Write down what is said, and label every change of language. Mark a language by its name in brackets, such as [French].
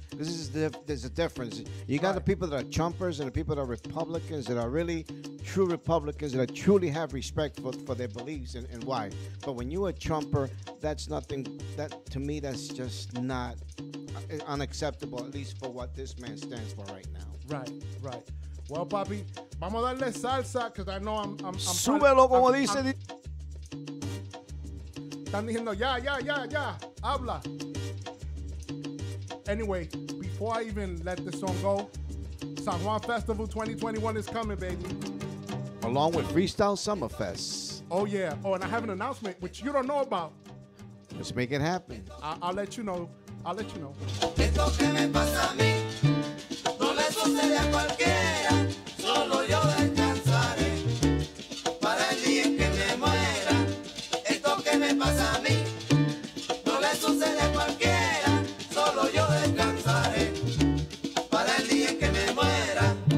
[English] There's a difference. You got the people that are Trumpers and the people that are Republicans that are really true Republicans that truly have respect for their beliefs and why. But when you're a Trumper, that's nothing. That to me, that's just not unacceptable, at least for what this man stands for right now. Right, right. Well, [Spanish] papi, vamos a darle salsa, [English] because I know I'm [Spanish] súbelo, como dice. Están diciendo, ya, habla. [English] Anyway, before I even let this song go, San Juan Festival 2021 is coming, baby. Along with Freestyle Summerfest. Oh, yeah. Oh, and I have an announcement, which you don't know about. Let's make it happen. I'll let you know. I'll let you know. [Spanish] Esto que me pasa a mí, no le sucede a cualquiera, solo yo descansaré para el día en que me muera. Esto que me pasa a mí, no le sucede a cualquiera, solo yo descansaré para el día en que me muera.